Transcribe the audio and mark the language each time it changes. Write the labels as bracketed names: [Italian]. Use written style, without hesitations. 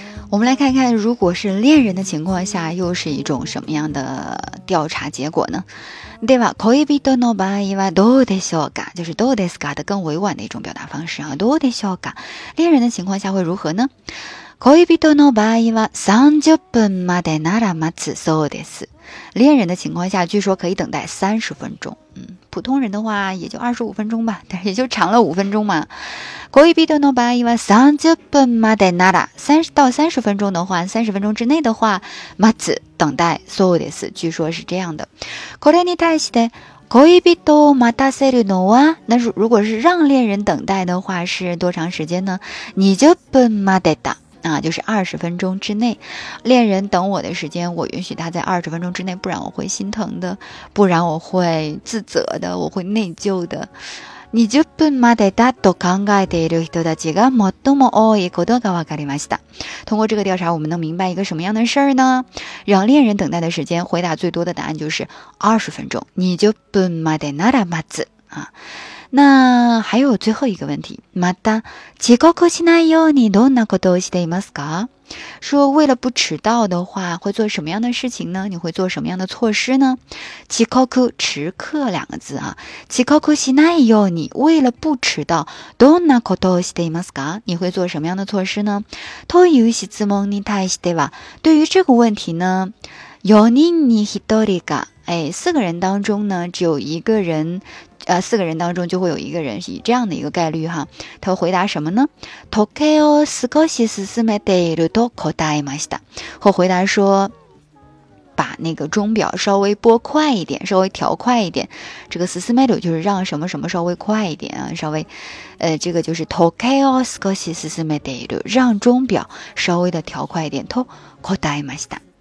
[Chinese] 我们来看看，如果是恋人的情况下，又是一种什么样的调查结果呢？对吧？ [Japanese] 恋人の場合はどうでしょうか？ [Chinese] 就是どうですか的更委婉的一种表达方式啊。 [Japanese] どうでしょうか？ [Chinese] 恋人的情况下会如何呢？ [Japanese] 恋人の場合は30分までなら待つそうです。 [Chinese] 恋人的情况下据说可以等待30分钟。普通人的话也就25分钟吧，但是也就长了5分钟嘛。 [Japanese] 恋人の場合は30分までなら [Chinese] 30到30分钟的话30分钟之内的话 [Japanese] 待つ [Chinese] 等待 [Japanese] そうです。 [Chinese] 据说是这样的。 [Japanese] これに対して恋人を待たせるのは [Chinese] 那如果是让恋人等待的话是多长时间呢 [Japanese] 20分までだ [Chinese] 啊，就是20分钟之内，恋人等我的时间，我允许他在20分钟之内，不然我会心疼的，不然我会自责的，我会内疚的。 [Japanese] 20分までだと考えている人たちが最も多いことが分かりました。 [Chinese] 通过这个调查，我们能明白一个什么样的事儿呢？让恋人等待的时间，回答最多的答案就是20分钟。 [Japanese] 20分までなら待つ啊。 [Chinese] 那还有最后一个问题， [Japanese] また遅刻しないようにどんなことをしていますか？ [Chinese] 说为了不迟到的话，会做什么样的事情呢？你会做什么样的措施呢？ [Japanese] 遅刻， [Chinese] 迟刻两个字啊， [Japanese] 遅刻しないように， [Chinese] 为了不迟到， [Japanese] どんなことをしていますか？ [Chinese] 你会做什么样的措施呢？ [Japanese] という質問に対しては， [Chinese] 对于这个问题呢， [Japanese] 四人に一人が。 [Chinese] 哎，四个人当中呢，只有一个人，四个人当中就会有一个人，以这样的一个概率哈。他回答什么呢？ [Japanese] 時計を少し進めていると答えました。 [Chinese] 或回答说，把那个钟表稍微拨快一点，稍微调快一点。这个進める就是让什么什么稍微快一点啊，稍微，这个就是 [Japanese] 時計を少し進めていると， [Chinese] 让钟表稍微的调快一点。 [Japanese] と答えました。